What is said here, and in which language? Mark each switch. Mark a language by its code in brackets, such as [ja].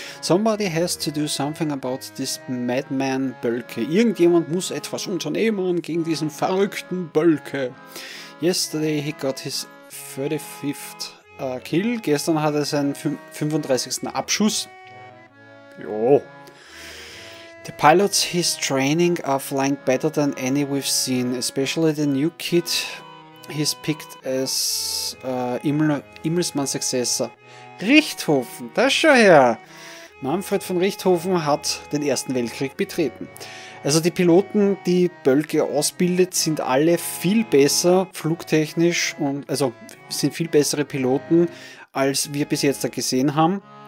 [en] Somebody has to do something about this madman Bölke. [de] Irgendjemand muss etwas unternehmen gegen diesen verrückten Bölke. [en] Yesterday he got his 35th kill. [de] Gestern hat er seinen 35. Abschuss. Jo. [en] The pilots his training are flying better than any we've seen. Especially the new kid he's picked as Immelsmann Successor. [de] Richthofen, das schon her. Manfred von Richthofen hat den Ersten Weltkrieg betreten. Also die Piloten, die Bölke ausbildet, sind alle viel besser flugtechnisch und also sind viel bessere Piloten, als wir bis jetzt da gesehen haben.